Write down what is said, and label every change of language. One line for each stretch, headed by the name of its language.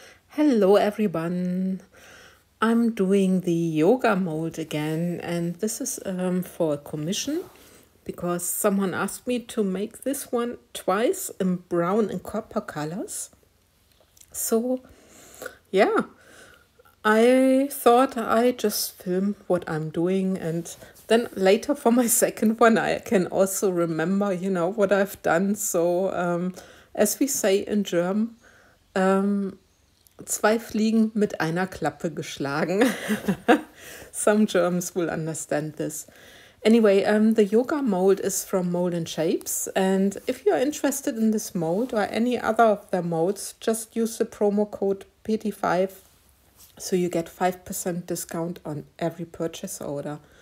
English: Hello everyone, I'm doing the yoga mold again, and this is for a commission because someone asked me to make this one twice in brown and copper colors. So yeah, I thought I just film what I'm doing, and then later for my second one I can also remember, you know, what I've done. So as we say in German,
German: zwei Fliegen mit einer Klappe geschlagen.
English: Some Germans will understand this. Anyway, the yoga mold is from Mold and Shapes. And if you're interested in this mold or any other of their molds, just use the promo code PT5 so you get 5% discount on every purchase order.